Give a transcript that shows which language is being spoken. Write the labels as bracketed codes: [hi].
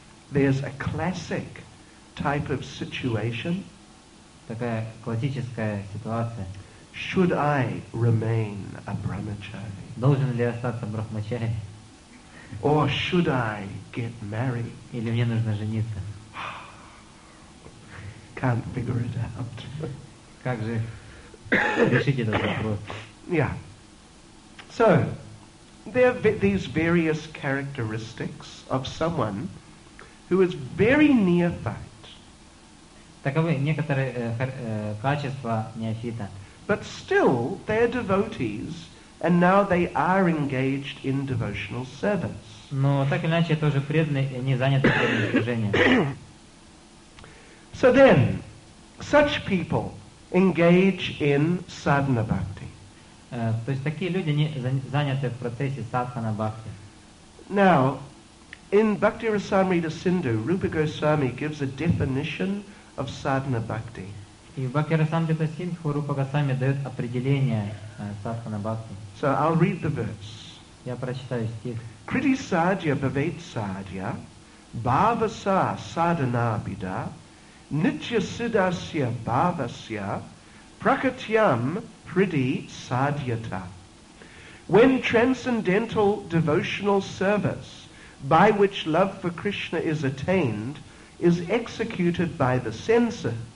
[en] There's a classic type of situation. [ru] Такая классическая ситуация. [en] Should I remain a brahmachari? [ru] Должен ли остаться брахмачари? [en] Or should I get married? [ru] Или мне нужно жениться? [en] Can't figure it out. [ru] Как же решить этот вопрос? [en] Yeah. So, there are these various characteristics of someone who is very neophyte. [ru] Таковы некоторые качества неофита. [en] But still, they are devotees, and now they are engaged in devotional service. [ru] Но так или иначе, тоже преданные, они заняты преданным служением. [en] So then, such people engage in sadhana bhakti. [ru] То есть такие люди заняты в процессе садхана бхакти. [en] Now, in Bhakti Rasamrita Sindhu, Rupa Goswami gives a definition of sadhana bhakti. [ru] И в Бхакти Расамрита Синдху Рупа Госвами дает определение садхана бхакти. [en] So I'll read the verse. [ru] Я прочитаю стих. [sa] Крити садья бхавет садья, бхаваса садхана бида, нитья сидасья бхавасья, пракатьям Priti Sadhyata. [en] When transcendental devotional service, by which love for Krishna is attained, is executed by the senses.